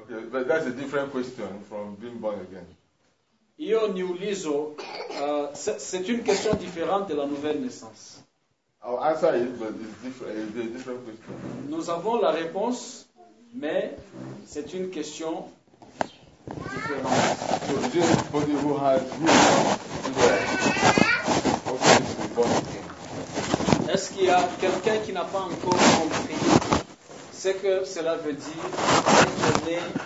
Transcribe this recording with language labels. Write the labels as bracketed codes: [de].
[en] but that's a different question from being born again. [sw] Io ni ulizo, [fr] c'est une question différente de la nouvelle naissance. [en] I'll answer it, but it's a different question. [fr] Nous avons la réponse, mais c'est une question différente. [en] So just for the who has born again. [fr] Est-ce qu'il y a quelqu'un qui n'a pas encore compris ce que cela veut dire être né?